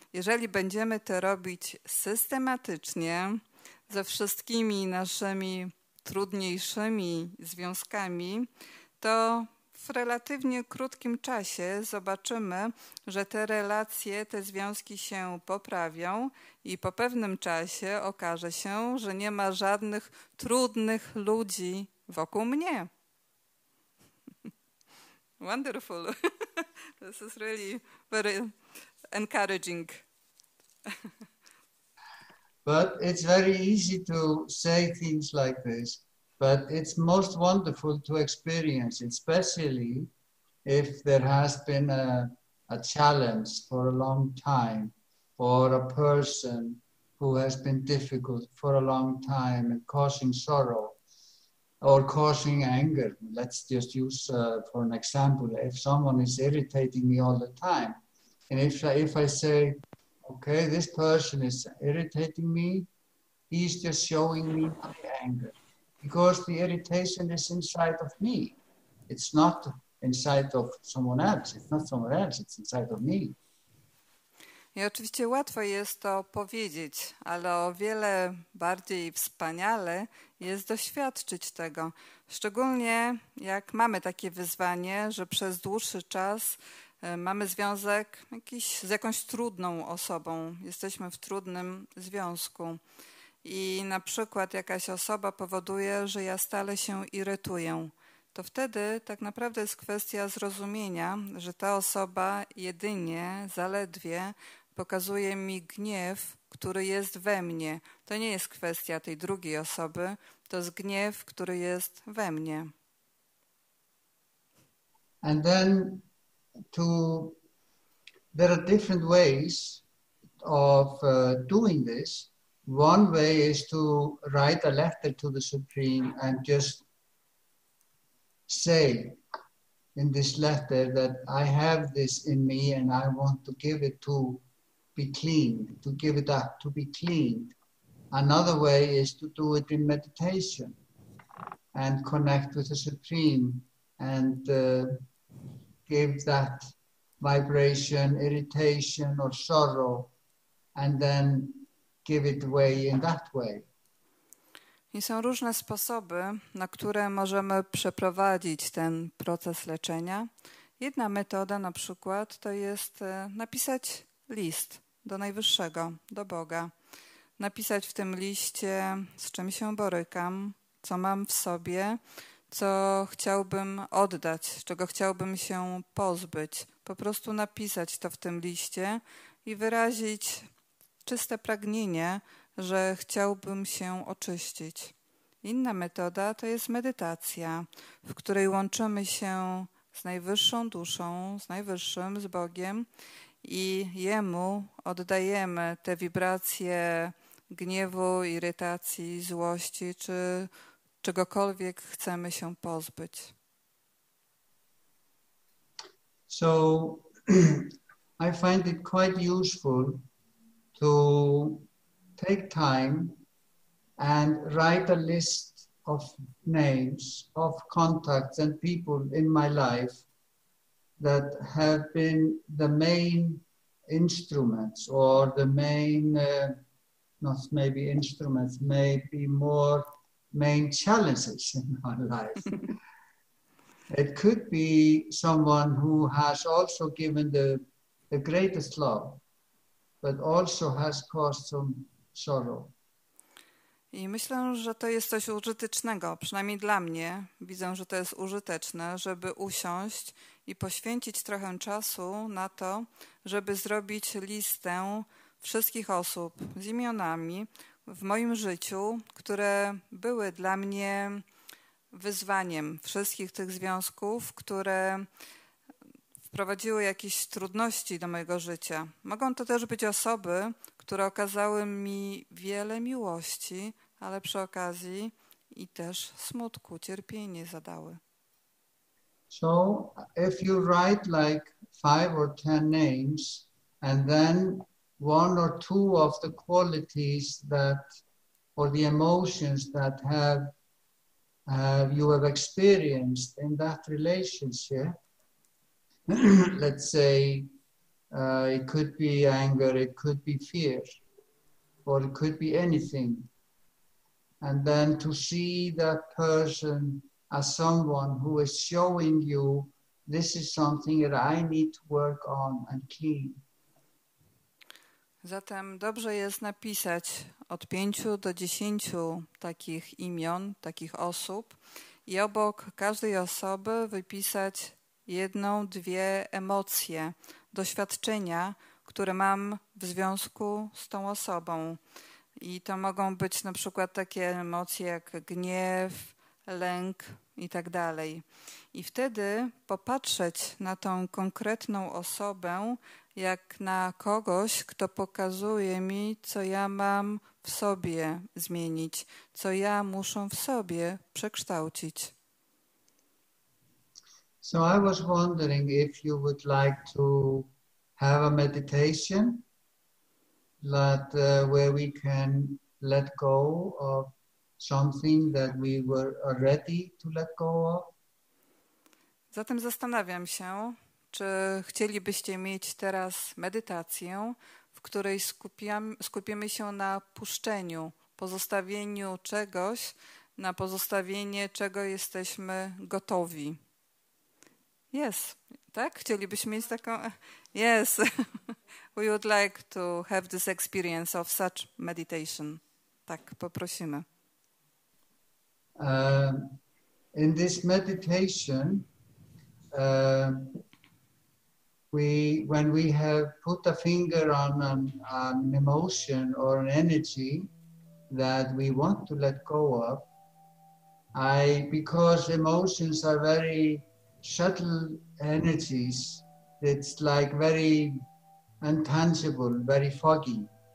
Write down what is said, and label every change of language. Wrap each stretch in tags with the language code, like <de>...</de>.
<pl>Jeżeli będziemy to robić systematycznie ze wszystkimi naszymi trudniejszymi związkami, to w relatywnie krótkim czasie zobaczymy, że te relacje, te związki się poprawią i po pewnym czasie okaże się, że nie ma żadnych trudnych ludzi wokół mnie.</pl> <en>Wonderful. This is really very encouraging. But it's very easy to say things like this. But it's most wonderful to experience, especially if there has been a challenge for a long time, or a person who has been difficult for a long time and causing sorrow or causing anger. Let's just use for an example, if someone is irritating me all the time, and if I say, okay, this person is irritating me, he's just showing me my anger. Because the irritation is inside of me. It's not inside of someone else. It's not someone else. It's inside of me.</en> <pl>I oczywiście łatwo jest to powiedzieć, ale o wiele bardziej wspaniale jest doświadczyć tego. Szczególnie jak mamy takie wyzwanie, że przez dłuższy czas mamy związek z jakąś trudną osobą. Jesteśmy w trudnym związku. I na przykład jakaś osoba powoduje, że ja stale się irytuję, to wtedy tak naprawdę jest kwestia zrozumienia, że ta osoba jedynie, zaledwie pokazuje mi gniew, który jest we mnie. To nie jest kwestia tej drugiej osoby, to jest gniew, który jest we mnie.</pl> <en>And then there are different ways of doing this. One way is to write a letter to the Supreme and just say in this letter that I have this in me and I want to give it to be cleaned, to give it up, to be cleaned. Another way is to do it in meditation. and connect with the Supreme and give that vibration, irritation or sorrow, and then give it away in that way.</en> <pl>I są różne sposoby, na które możemy przeprowadzić ten proces leczenia. Jedna metoda na przykład to jest napisać list do Najwyższego, do Boga. Napisać w tym liście, z czym się borykam, co mam w sobie, co chciałbym oddać, czego chciałbym się pozbyć. Po prostu napisać to w tym liście i wyrazić czyste pragnienie, że chciałbym się oczyścić. Inna metoda to jest medytacja, w której łączymy się z najwyższą duszą, z najwyższym, z Bogiem i Jemu oddajemy te wibracje gniewu, irytacji, złości czy czegokolwiek chcemy się pozbyć.</pl> <en>So I find it quite useful to take time and write a list of names, of contacts and people in my life that have been the main instruments or the main, not maybe instruments, maybe more main challenges in my life. It could be someone who has also given the greatest love, but also has caused some sorrow.</en> <pl>I myślę, że to jest coś użytecznego, przynajmniej dla mnie. Widzę, że to jest użyteczne, żeby usiąść i poświęcić trochę czasu na to, żeby zrobić listę wszystkich osób z imionami w moim życiu, które były dla mnie wyzwaniem, wszystkich tych związków, które wprowadziły jakieś trudności do mojego życia. Mogą to też być osoby, które okazały mi wiele miłości, ale przy okazji i też smutku, cierpienie zadały.</pl> <en>So, if you write like 5 or 10 names and then one or two of the qualities that or the emotions that you have experienced in that relationship, let's say it could be anger, it could be fear, or it could be anything. And then to see that person as someone who is showing you, this is something that I need to work on and clean.</en> <pl>Zatem dobrze jest napisać od 5 do 10 takich imion, takich osób i obok każdej osoby wypisać jedną, dwie emocje, doświadczenia, które mam w związku z tą osobą. I to mogą być na przykład takie emocje jak gniew, lęk i tak dalej. I wtedy popatrzeć na tą konkretną osobę jak na kogoś, kto pokazuje mi, co ja mam w sobie zmienić, co ja muszę w sobie przekształcić.</pl> <en>So I was wondering if you would like to have a meditation that where we can let go of something that we were ready to let go of.</en> <pl>Zatem zastanawiam się, czy chcielibyście mieć teraz medytację, w której skupimy się na puszczeniu, pozostawieniu czegoś, na pozostawienie czego jesteśmy gotowi.</pl> <en>Yes,</en> <pl>tak? Chcielibyśmy mieć taką...</pl> <en>Yes, we would like to have this experience of such meditation.</en> <pl>Tak, poprosimy.</pl> <en>In this meditation, when we have put a finger on an emotion or an energy that we want to let go of, because emotions are very subtle energies, it's like very intangible, very foggy.</en>